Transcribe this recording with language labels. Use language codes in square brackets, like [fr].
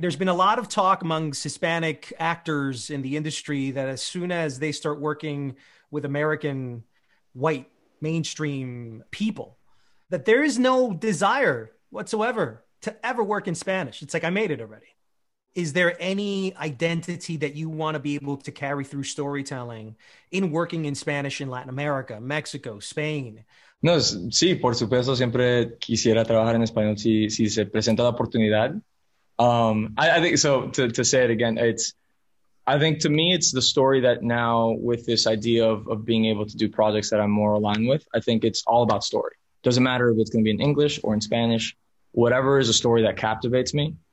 [en] There's been a lot of talk amongst Hispanic actors in the industry that as soon as they start working with American white mainstream people, that there is no desire whatsoever to ever work in Spanish. It's like, I made it already. Is there any identity that you want to be able to carry through storytelling in working in Spanish in Latin America, Mexico, Spain? [es] No, sí, por supuesto, siempre quisiera trabajar en español si se presenta la oportunidad. [en] I think so to say it again, to me, it's the story that now with this idea of being able to do projects that I'm more aligned with, I think it's all about story. Doesn't matter if it's going to be in English or in Spanish, whatever is a story that captivates me.